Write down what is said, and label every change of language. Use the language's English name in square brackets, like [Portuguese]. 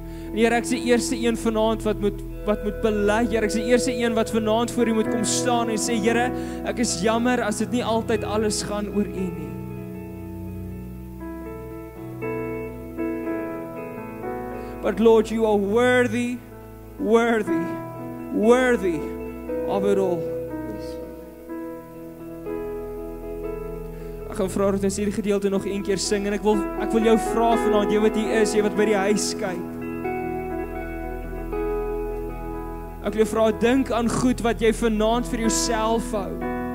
[Afrikaans] En Here, ek is die eerste een vanaand wat moet bely, Here, ek is die eerste een wat vanaand voor U moet kom staan en sê, Here, ek is jammer as dit nie altyd alles gaan oor U nie. [English] But Lord, You are worthy, worthy, worthy of it all. [Afrikaans] Ek gaan vra dat ons hierdie gedeelte nog een keer sing, en ek wil jou vra vanaand, jy wat hier is, jy wat by die huis kyk, ek wil jou vra, dink aan goed wat jy vanaand vir jouself hou.